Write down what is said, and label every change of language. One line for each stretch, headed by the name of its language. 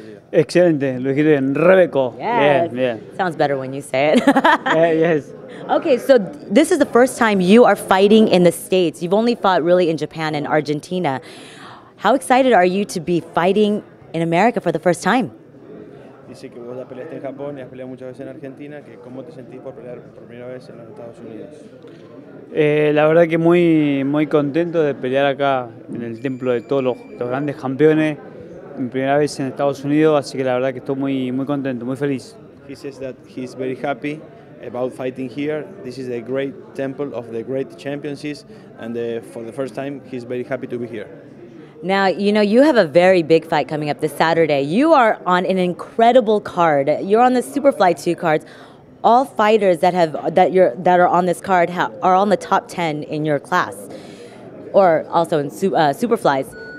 Spanish: Excellent. Lo dijiste bien. Rebecco.
English: Yes. Sounds better when you say it. Yes. Okay, so this is the first time you are fighting in the States. You've only fought really in Japan and Argentina. How excited are you to be fighting in America for the first time?
Spanish: Dice que vos ya peleaste en Japón y has peleado muchas veces en Argentina. Que cómo te sentís por pelear por primera vez en los Estados Unidos? La verdad que muy, muy contento de pelear acá en el templo de todos los grandes campeones. Mi primera vez en Estados Unidos, así que la verdad que estoy muy, muy contento, muy feliz.
English: He says that he's very happy about fighting here. This is a great temple of the great championships, and for the first time, he's very happy to be here. Now, you know, you have a very big fight coming up this Saturday. You are on an incredible card. You're on the Superfly 2 cards. All fighters that are on this card are on the top 10 in your class, or also in Superflies.